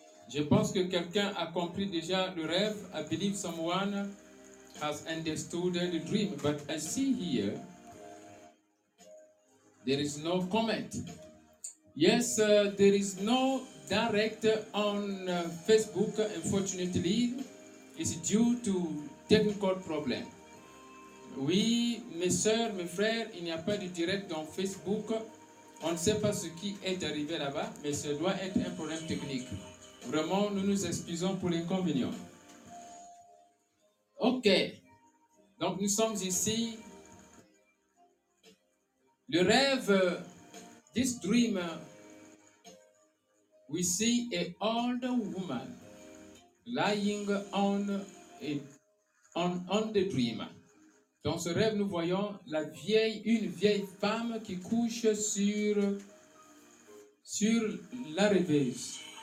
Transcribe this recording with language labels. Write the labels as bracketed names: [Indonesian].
[French] Je pense que quelqu'un a compris déjà le rêve. [English] I believe someone has understood the dream, but I see here there is no comment. Yes, there is no direct on Facebook, unfortunately. It's due to technical problem. [French] Oui, mes soeurs, mes frères, il n'y a pas de direct dans Facebook. On ne sait pas ce qui est arrivé là-bas, mais ce doit être un problème technique. Vraiment, nous nous excusons pour l'inconvénient. Ok, donc nous sommes ici. Le rêve, [English] this dream, we see an old woman lying on the dream. [French] Dans ce rêve, nous voyons une vieille femme qui couche sur la rêveuse.